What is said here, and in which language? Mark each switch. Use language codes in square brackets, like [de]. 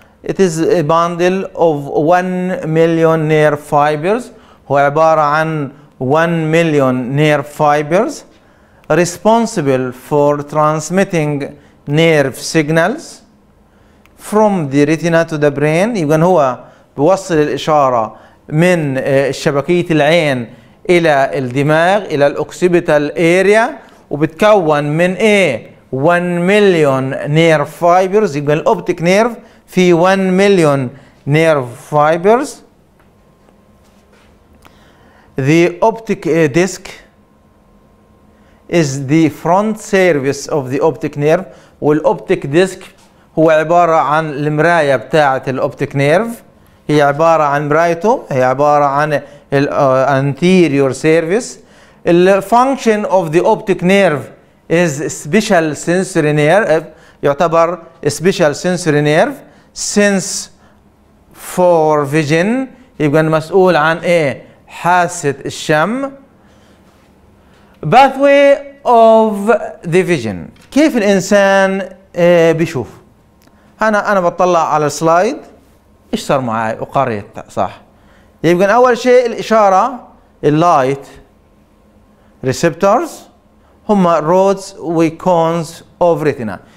[en] It is a bundle of 1 million nerve fibers. [ar] هو عبارة عن [en] 1 million nerve fibers responsible for transmitting nerve signals from the retina to the brain. [ar] يبقى هو بوصل الإشارة من شبكية العين إلى الدماغ إلى الأوكسيبيتال أريا، وبتكون من إيه؟ [en] 1 million nerve fibers. [ar] يبقى الأوبتيك نيرف في [en] 1 million nerve fibers. The optic disc is the front surface of the optic nerve. [ar] والأوبتيك ديسك هو عبارة عن المراية بتاعة الأوبتيك نيرف، هي عبارة عن مرايته، هي عبارة عن الـ [en] anterior surface. The function of the optic nerve is special sensory nerve. [ar] يعتبر [en] special sensory nerve since for vision. [ar] يبقى مسؤول عن ايه؟ حاسة الشم. [en] Pathway of the vision. [ar] كيف الإنسان بيشوف؟ أنا بطلع على السلايد، إيش صار معي وقريت صح؟ يبقى أول شيء الإشارة اللايت ريسبتورز هم رودز وكونز أوف ريتينا.